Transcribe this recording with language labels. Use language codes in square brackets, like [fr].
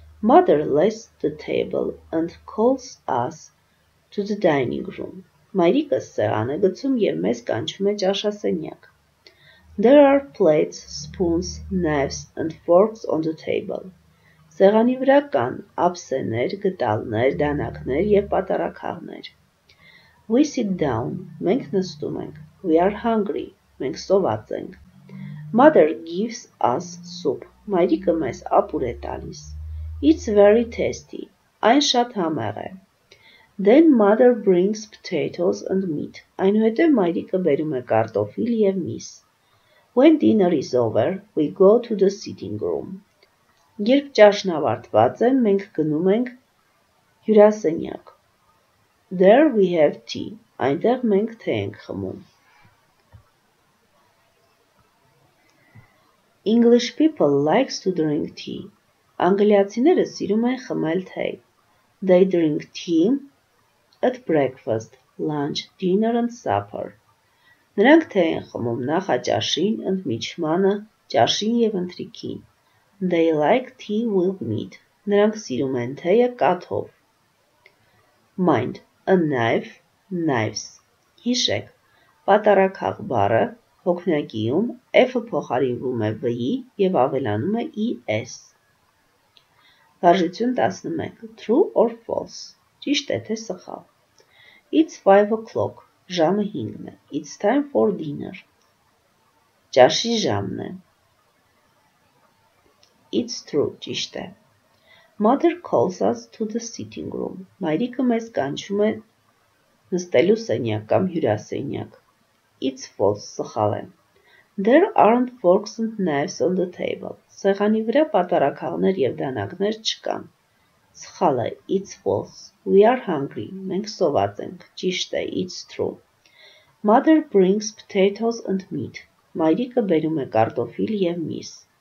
[en] Mother lays the table and calls us to the dining room. [hy] Մայրիկը սեղան է գցում և մեզ կանչում է ճաշասենյակ. [en] There are plates, spoons, knives, and forks on the table. [hy] Սեղանի վրա կան ափսեներ, գտալներ, դանակներ և պատարակաղներ. [en] We sit down. [hy] Մենք նստում ենք. [en] We are hungry. [hy] Մենք սոված ենք. [en] Mother gives us soup. [hy] Մայրիկը մեզ ապուր է տալիս. [en] It's very tasty. [hy] Այն շատ համեղ է. [en] Then mother brings potatoes and meat. [hy] Այնուհետև մայրիկը բերում է կարտոֆիլ և միս. [en] When dinner is over, we go to the sitting room. [hy] Երբ ճաշն ավարտված է, մենք գնում ենք հյուրասենյակ. [en] There we have tea. [hy] Այնտեղ մենք թե ենք խմում. [en] English people likes to drink tea. [hy] Անգլիացիները սիրում են խմել թեյ. [en] They drink tea at breakfast, lunch, dinner and supper. [hy] Նրանք թե են խմում նախաճաշին, ընդմիջմանը, ճաշին և ընթրիքին. [en] They like tea with meat. [hy] Նրանք սիրում են թեյը կաթով. [en] Mind. A knife. Knives. [hy] Հիշեք, պատարակաղ բառը հոգնակիում F-ը փոխարինվում է V-ի և ավելանում է ES. Վարժություն 11. [en] True or false? [hy] Ճիշտ է, թե սխալ. [en] It's 5 o'clock. [hy] Ժամը 5-ն է. [en] It's time for dinner. [hy] Ճաշի ժամն է. [en] It's true. [hy] Ճիշտ է. [en] Mother calls us to the sitting room. [hy] Մայրիկը մեզ կանչում է նստելու սենյակ կամ հյուրասենյակ. [en] It's false. [hy] Սխալ է. [en] There aren't forks and knives on the table. [hy] Սեղանի վրա պատարակաղներ և դանակներ չկան. Սխալ է, [en] it's false, we are hungry, [hy] մենք սոված ենք, ճիշտ է, [en] it's true. Mother brings potatoes and meat, [hy] մայրիկը բերում է կարտոֆիլ և միս.